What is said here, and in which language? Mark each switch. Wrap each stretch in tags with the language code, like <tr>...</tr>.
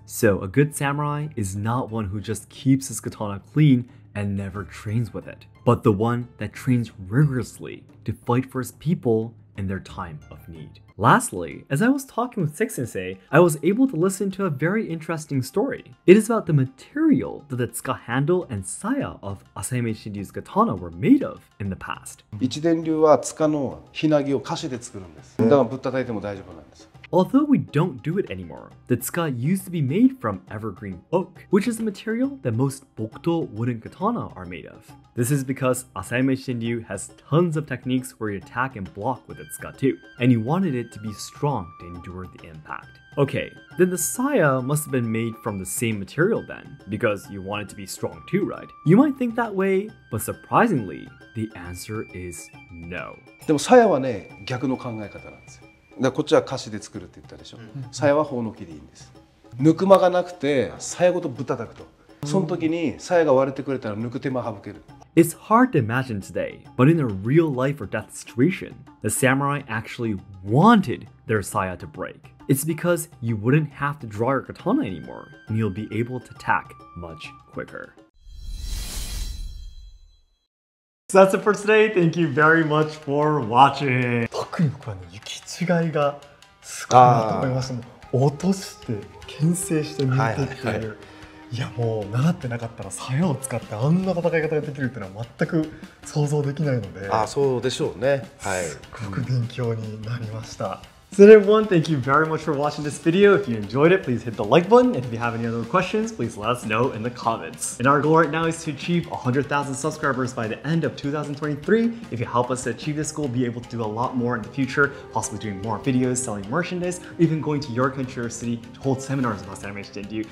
<en>So a good samurai is not one who just keeps his katana clean and never trains with it, but the one that trains rigorously to fight for his people in their time of need. Lastly, as I was talking with Seki Sensei, I was able to listen to a very interesting story. It is about the material that the tsuka handle and saya of Asami Shinryu's katana were made of in the past.</en> <ja>一伝流は塚のひなぎを樫で作るんです。だからぶったたいても大丈夫なんです。</ja> <en>Although we don't do it anymore, the tsuka used to be made from evergreen oak, which is the material that most bokuto wooden katana are made of. This is because Asami Shinryu has tons of techniques where you attack and block with the tsuka too, and he wanted it to be strong to endure the impact. Okay, then the saya must have been made from the same material then, because you want it to be strong too, right? You might think that way, but surprisingly, the answer is no.</en> <ja>でも鞘はね、逆の考え方なんですよ。だこっちは樫で作るって言ったでしょ。鞘はホウノキでいいんです。抜く間がなくて鞘ごとぶたたくと、その時に鞘が割れてくれたら抜く手間省ける。</ja> <en>It's hard to imagine today, but in a real life or death situation, the samurai actually wanted their saya to break. It's because you wouldn't have to draw your katana anymore, and you'll be able to attack much quicker. So that's it for today. Thank you very much for watching.</en> <ja>特に僕はね、行き違いがすごいなと思いました。落として、牽制して抜いてっていう。いやもう習ってなかったら鞘を使ってあんな戦い方ができるっていうのは全く想像できないので、あ、そうでしょうね、はい、すごく勉強になりました、</ja> <en>うん、So everyone, thank you very much for watching this video. If you enjoyed it, please hit the like button. And if you have any other questions, please let us know in the comments. And our goal right now is to achieve 100,000 subscribers by the end of 2023. If you help us to achieve this goal, we'll be able to do a lot more in the future, possibly doing more videos, selling merchandise, or even going to your country or city to hold seminars about Asami Shinryu.</en>